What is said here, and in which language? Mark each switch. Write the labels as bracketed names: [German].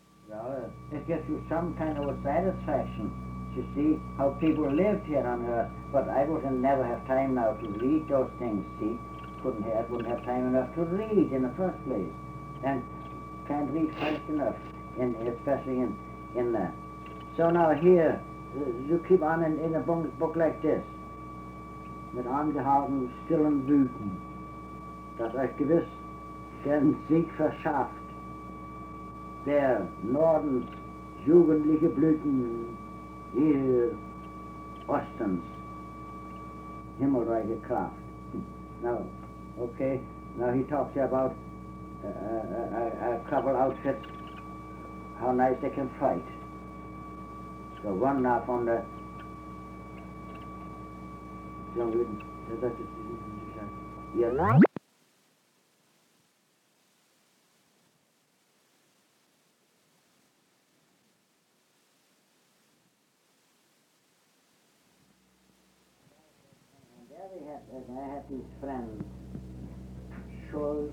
[English] Well, it gives you some kind of a satisfaction to see how people lived here on Earth, but I wouldn't never have time now to read those things, see? I wouldn't have time enough to read in the first place. And can't read fast enough, especially in that. So now here, you keep on in a book like this. [German] mit angehalten und stillen Blüten, dass euch gewiss den Sieg verschafft, der Nordens jugendliche Blüten, ihr Ostens himmelreiche Kraft. [English] Now, okay, now he talks about a couple outfits, how nice they can fight. So one up on the And there we have, and I have these friends, Schultz.